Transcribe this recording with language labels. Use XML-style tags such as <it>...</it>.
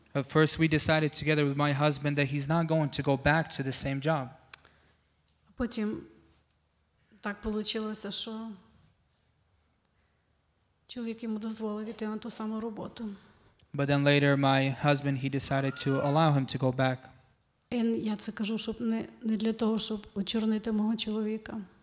<en>At first we decided together with my husband that he's not going to go back to the same job.</en> <uk>Потім так получилося, що чоловік йому дозволив іти на ту саму роботу.</uk> <en>But then later my husband he decided to allow him to go back.</en> <uk>Я це кажу, щоб не для того, щоб очорнити мого чоловіка.</uk>